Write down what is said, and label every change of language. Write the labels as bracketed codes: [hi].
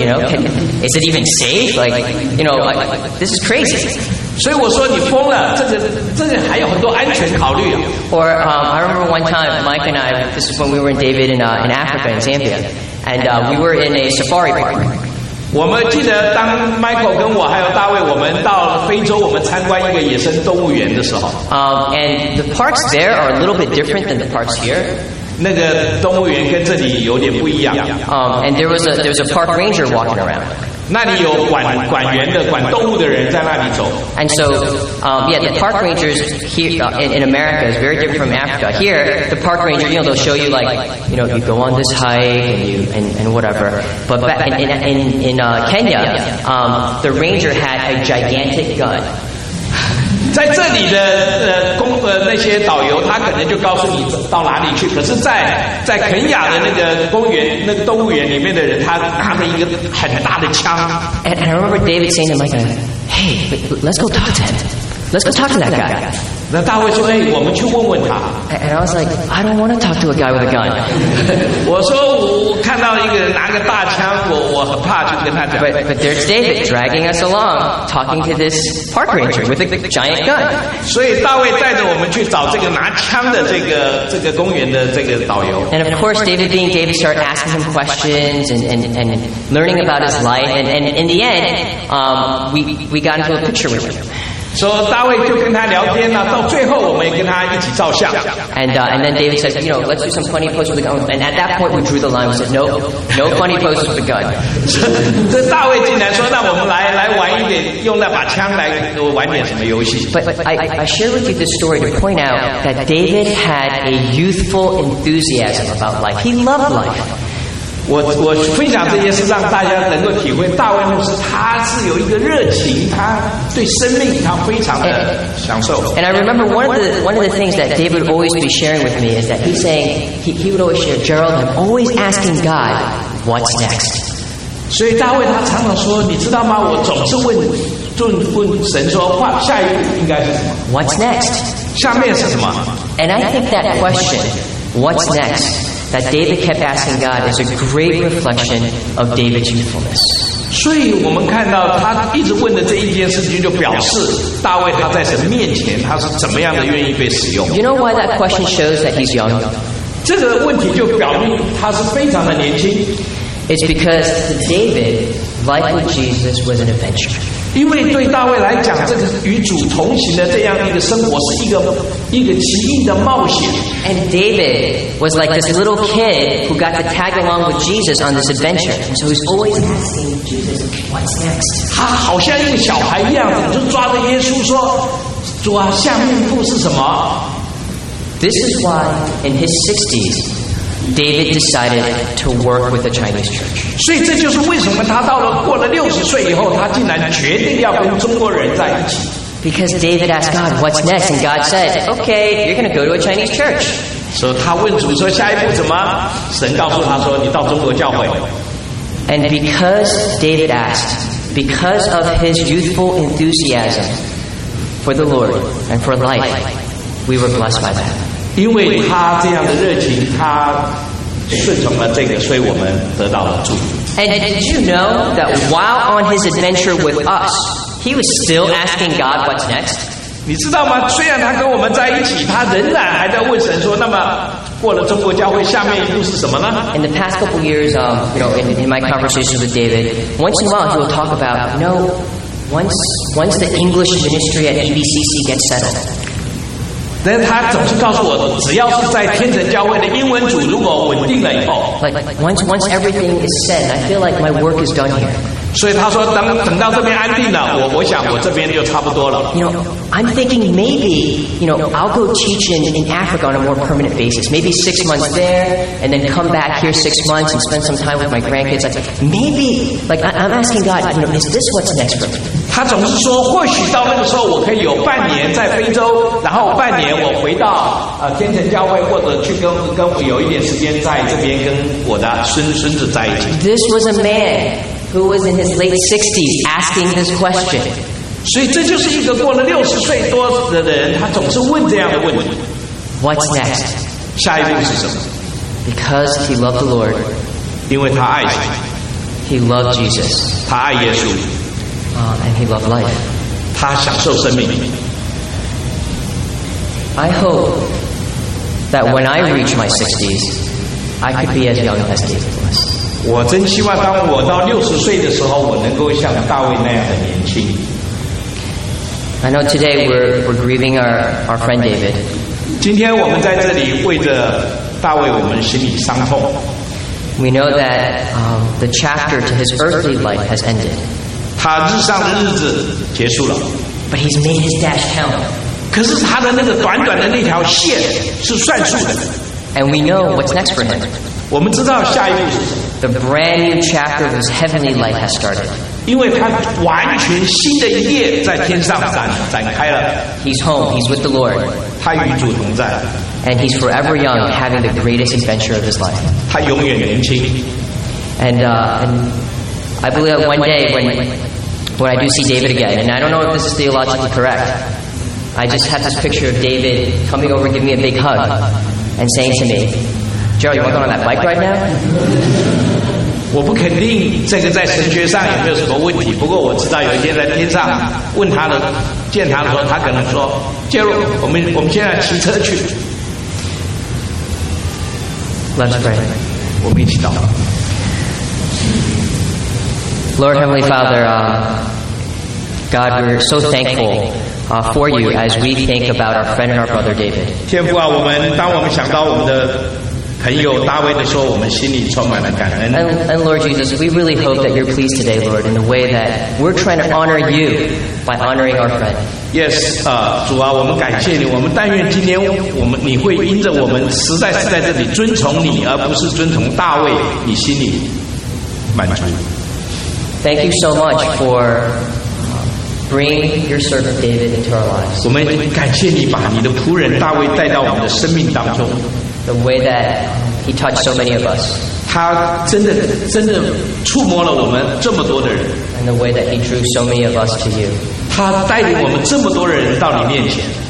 [en] You know, is it even safe? Like, you know, like this is crazy. [zh] 所以我说你疯了，这个还有很多安全考虑。 [en] Or I remember one time Mike and I, this is when we were in David in Africa in Zambia. And we were in a safari park. [zh] 我们记得当 Michael 跟我还有大卫，我们到非洲，我们参观一个野生动物园的时候。 [en] And the parks there are a little bit different than the parks here. [zh] 那个动物园跟这里有点不一样。 [en] And there was a park ranger walking around. [zh] 那里有管园的管动物的人在那里走。 [en] And so, yeah, the park rangers here in America is very different from Africa. Here, the park ranger, you know, they'll show you like, you know, you go on this hike and you and whatever. But in Kenya, the ranger had a gigantic gun. [zh] 在这里的那些导游，他可能就告诉你到哪里去。可是在肯亚的那个公园、那个动物园里面的人，他拿着一个很大的枪。 [en] And I remember David saying to Mike, "Hey, let's go talk to him. Let's go talk to that guy." [zh] 那大卫说："哎，我们去问问他。 [en] "And I was like, "I don't want to talk to a guy with a gun." [zh] 我说我看到一个人拿个大枪，我很怕去跟他讲。 [en] But there's David dragging us along, talking to this park ranger with a giant gun. [zh] 所以大卫带着我们去找这个拿枪的这个公园的这个导游。 [en] And of course, David being David, started asking him questions and learning about his life. And in the end, we got into a picture with him. [zh] So, 大卫就跟他聊天了，到最后我们也跟他一起照相。 [en] And then David said, you know, let's do some funny poses with the gun. And at that point, we drew the line. We said, no funny poses with the gun. [zh] 这大卫竟然说，那我们来玩一点，用那把枪来玩点什么游戏。 [en] But I share with you this story to point out that David had a youthful enthusiasm about life. He loved life. [zh] 我分享这件事，让大家能够体会大卫牧师，他是有一个热情，他对生命他非常的享受。 [en] And I remember one of the things that David would always be sharing with me is that he's saying he would always share, Gerald, I'm always asking God what's next. [zh] 所以大卫他常常说，你知道吗？我总是问神说，下一步应该是什么 [en] ？What's next？ [zh] 下面是什么 [en] ？And I think that question, what's next? That David kept asking God is a great reflection of David's youthfulness. [zh] 所以我们看到他一直问的这一件事情，就表示大卫他在神面前他是怎么样的愿意被使用。 [en] You know why that question shows that he's young? [zh] 这个问题就表明他是非常的年轻。 [en] It's because to David, life with Jesus was an adventure. [zh] 因为对大卫来讲，这个与主同行的这样一个生活是一个奇异的冒险。 [en] And David was like this little kid who got to tag along with Jesus on this adventure. So he's always asking Jesus, "What's next?" [zh] 他好像一个小孩一样，就抓着耶稣说：“主啊，下一步是什么 [en] ？”This is why, in his 60s, David decided to work with the Chinese church. [zh] 所以这就是为什么他到了过了六十岁以后，他竟然决定要跟中国人在一起。 [en] Because David asked God, "What's next?" And God said, "Okay, you're going to go to a Chinese church." [zh] So 他问主说下一步怎么？神告诉他说你到中国教会。 [en] And because David asked, because of his youthful enthusiasm for the Lord and for life, we were blessed by that. [zh] 因为他这样的热情，他顺从了这个，所以我们得到了祝福。 [en] And did you know that while on his adventure with us, he was still asking God what's next? [zh] 你知道吗？虽然他跟我们在一起，他仍然还在问神说，那么过了中国教会，下面一步是什么呢？ [en] In the past couple years, you know, in my conversations with David, once in a while he will talk about, you know, once the English ministry at EBCC gets settled. [zh] 但他总是告诉我，只要是在天神教会的英文组如果稳定了以后， [en] like once everything is set, I feel like my work is done here. [zh] 所以他说，等到这边安定了，我想我这边就差不多了。 [en] You know,I'm thinking maybe, you know, I'll go teach in Africa on a more permanent basis. Maybe 6 months there, and then come back here 6 months and spend some time with my grandkids. Like, maybe, like, I'm asking God, you know, is this what's next for me? [zh] 他总是说，或许到那个时候，我可以有半年在非洲，然后半年我回到天神教会，或者去跟我有一点时间在这边跟我的孙子在一起。 [en] This was a man who was in his late 60s asking this question. [zh] 所以这就是一个过了六十岁多的人，他总是问这样的问题 [en] What's next? [zh] 下一步是什么？ [en] Because he loved the Lord. [zh] 因为他爱神。 [en] He loved Jesus. [zh] 他爱耶稣。 [en] And he loved life. [zh] 他享受生命。 [en] I hope that when I reach my 60s, I could be as young as David was. [zh] 我真希望当我到六十岁的时候，我能够像大卫那样的年轻。 [en] I know today we're grieving our friend David. [zh] 今天我们在这里为着大卫，我们心里伤痛。 [en] We know that the chapter to his earthly life has ended. [zh] 他日上的日子结束了。 [en] But he's made his dash count. [zh] 可是他的那个短短的那条线是算数的。 [en] And we know what's next for him. [zh] 我们知道下一步是。 [en] The brand new chapter of his heavenly life has started. [zh] 因为他完全新的一页在天上展开了。 [en] He's home. He's with the Lord. [zh] 他与主同在。 [en] And he's forever young, having the greatest adventure of his life. [zh] 他永远年轻。 [en] And I believe that one day when I do see David again, and I don't know if this is theologically correct, I just have this picture of David coming over, giving me a big hug, and saying to me, "Gerald, you want to go on that bike right now?" [zh] 我不肯定这个在神学上有没有什么问题，不过我知道有一天在天上问他的见他的时候，他可能说杰瑞，我们现在骑车去。 [en] Let's pray. [zh] 我们一起祷告。 [en] Lord Heavenly Father, God, we're so thankfulfor you as we think about our friend and our brother David. [zh] 天父啊，我们当我们想到我们的朋友大卫的时候，我们心里充满了感恩。 [en] And Lord Jesus, we really hope that you're pleased today, Lord, in the way that we're trying to honor you by honoring our friend. [zh] Yes, 主啊，我们感谢你，我们但愿今天你会因着我们实在是在这里遵从你，而不是遵从大卫，你心里满足。 [en] Thank you so much for bringing your servant David into our lives. [zh] 我们感谢你把你的仆人大卫带到我们的生命当中。 [en] The way that he touched so many of us. [zh] 他真的触摸了我们这么多的人。 [en] And the way that he drew so many of us to you. [zh] 他带领我们这么多人到你面前。